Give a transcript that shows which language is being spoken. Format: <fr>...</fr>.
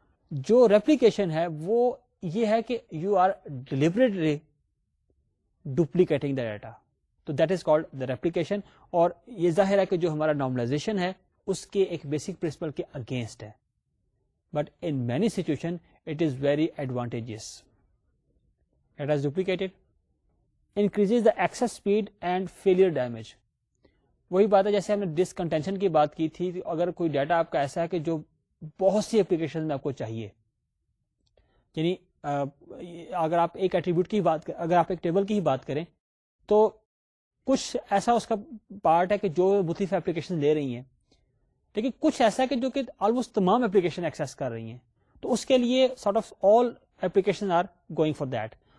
<ur>جو ریپلیکیشن ہے وہ یہ ہے کہ</ur> <en>You are deliberately duplicating the data, تو that is called the replication.</en> <ur>اور یہ ظاہر ہے کہ جو ہمارا نارملائزیشن ہے اس کے ایک بیسک پرنسپل کے اگینسٹ ہے,</ur> <en>But in many situation it is very advantageous. Data is duplicated, increases the access speed and failure damage.</en> <ur>وہی بات ہے جیسے ہم نے ڈسک کنٹینشن کی بات کی تھی, اگر کوئی ڈیٹا آپ کا ایسا ہے کہ جو بہت سی اپلیکیشن میں آپ کو چاہیے, یعنی اگر آپ ایک ایٹریبیوٹ کی بات, اگر آپ ایک ٹیبل کی ہی بات کریں, تو کچھ ایسا اس کا پارٹ ہے کہ جو مختلف اپلیکیشن لے رہی ہیں, لیکن کچھ ایسا ہے کہ جو کہ آلموسٹ تمام اپلیکیشن ایکسیس کر رہی ہیں, تو اس کے لیے</ur> <en>Sort of all application are going for that.</en>